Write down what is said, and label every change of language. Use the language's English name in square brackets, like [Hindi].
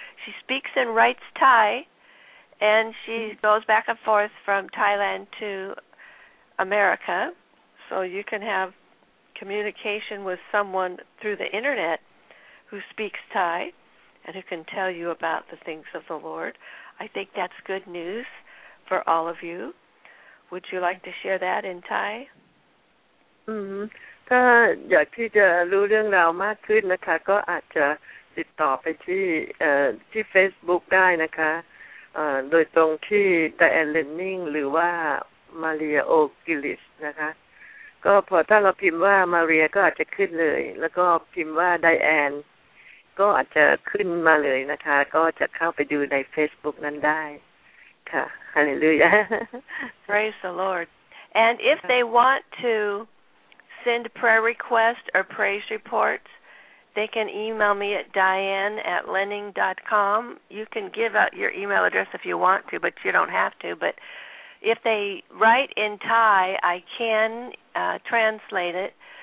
[English] She speaks and writes Thai, and she goes back and forth from Thailand to America, so you can have communication with someone through the Internet who speaks Thai and who can tell you about the things of the Lord. I think that's good news for all of you. Would you like to share that in Thai? Mm-hmm. [Thai] ถ้าอยากที่จะรู้เรื่องราวมากขึ้นนะคะก็อาจจะติดต่อไปที่ที่ Facebook ได้นะคะโดยตรงที่ Diane Lenning หรือว่า Maria O'Gillis นะคะก็พอถ้าเราพิมพ์ว่า Maria ก็อาจจะขึ้นเลยแล้วก็พิมพ์ว่า Diane ก็อาจจะขึ้นมาเลยนะคะก็จะเข้าไปดูใน Facebook นั้นได้ค่ะฮาเลลูยา [English] Praise the Lord and if they want toSend prayer requests or praise reports. They can email me at diane@lenning.com. You can give out your email address if you want to, but you don't have to. But if they write in Thai, I can translate it.